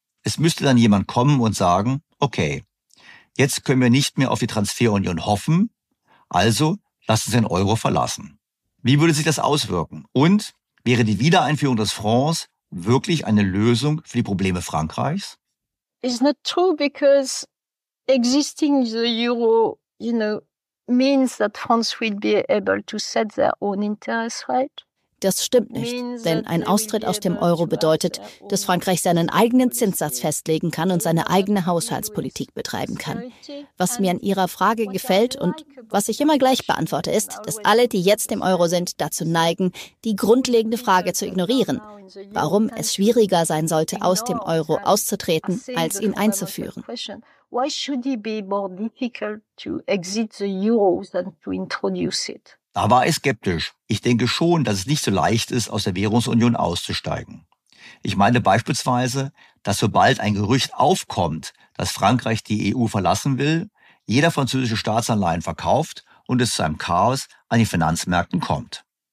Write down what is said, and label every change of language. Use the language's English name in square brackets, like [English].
[German] Es müsste dann jemand kommen und sagen, okay, jetzt können wir nicht mehr auf die Transferunion hoffen, also lassen Sie den Euro verlassen. Wie würde sich das auswirken? Und wäre die Wiedereinführung des Francs wirklich eine Lösung für die Probleme Frankreichs? [English] It's not true because existing the euro, you know, means that France will be able to set their own interest rate. [German] Das stimmt nicht, denn ein Austritt aus dem Euro bedeutet, dass Frankreich seinen eigenen Zinssatz festlegen kann und seine eigene Haushaltspolitik betreiben kann. Was mir an Ihrer Frage gefällt und was ich immer gleich beantworte, ist, dass alle, die jetzt im Euro sind, dazu neigen, die grundlegende Frage zu ignorieren, warum es schwieriger sein sollte, aus dem Euro auszutreten, als ihn einzuführen. [English] Why should it be more difficult to exit the euro than to introduce it? [German] Da war ich skeptisch. Ich denke schon, dass es nicht so leicht ist, aus der Währungsunion auszusteigen. Ich meine beispielsweise, dass sobald ein Gerücht aufkommt, dass Frankreich die EU verlassen will, jeder französische Staatsanleihen verkauft und es zu einem Chaos an den Finanzmärkten kommt.